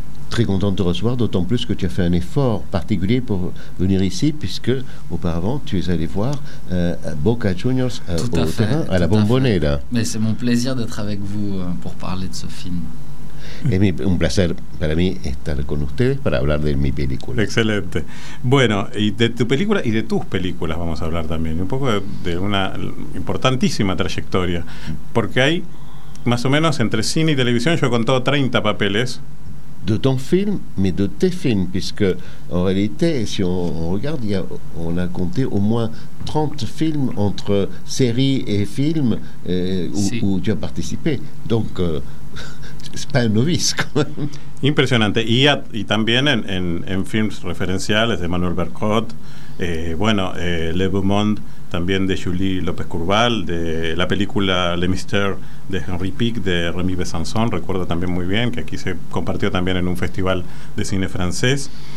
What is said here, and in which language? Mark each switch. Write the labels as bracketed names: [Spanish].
[French] Très content de te recevoir, d'autant plus que tu as fait un effort particulier pour venir ici, puisque auparavant tu es allé voir Boca Juniors au terrain à la Bombonera. Mais c'est mon plaisir d'être avec vous pour parler de ce film. [Spanish] Es un placer para mí estar con ustedes para hablar de mi película. Excelente. Bueno, y de tu película y de tus películas vamos a hablar también, un poco de una importantísima trayectoria, porque hay más o menos entre cine y televisión, yo he contado 30 papeles. [French] De ton film, mais de tes films, puisque en réalité, si on regarde, on a compté au moins 30 films entre séries et films où tu as participé. Donc, c'est pas un novice, quand même. Impressionnante. [Spanish] Y también en films referenciales de Manuel Bercot, Le Beau Monde, también de Julie López-Courval, de la película Le Mister de Henri Pic, de Rémy Besançon, recuerdo también muy bien, que aquí se compartió también en un festival de cine francés.